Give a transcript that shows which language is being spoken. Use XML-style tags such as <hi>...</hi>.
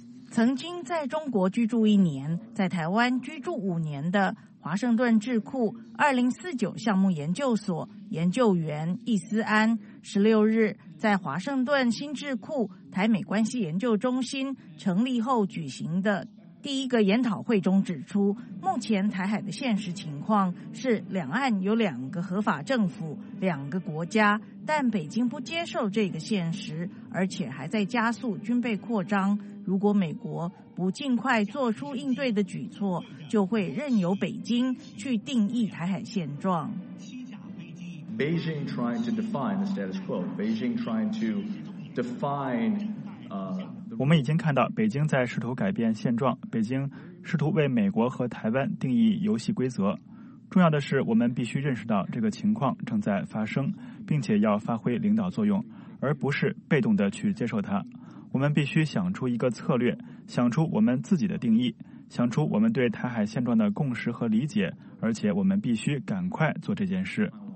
<zh>曾经在中国居住一年，在台湾居住五年的华盛顿智库2049项目研究所研究员易思安，16日在华盛顿新智库台美关系研究中心成立后举行的第一个研讨会中指出，目前台海的现实情况是两岸有两个合法政府、两个国家，但北京不接受这个现实，而且还在加速军备扩张。如果美国不尽快做出应对的举措，就会任由北京去定义台海现状。</zh> <en>Beijing trying to define the status quo. Beijing trying to define,</en> <zh>我们已经看到北京在试图改变现状，北京试图为美国和台湾定义游戏规则。重要的是，我们必须认识到这个情况正在发生，并且要发挥领导作用，而不是被动地去接受它。我们必须想出一个策略，想出我们自己的定义，想出我们对台海现状的共识和理解，而且我们必须赶快做这件事。</zh>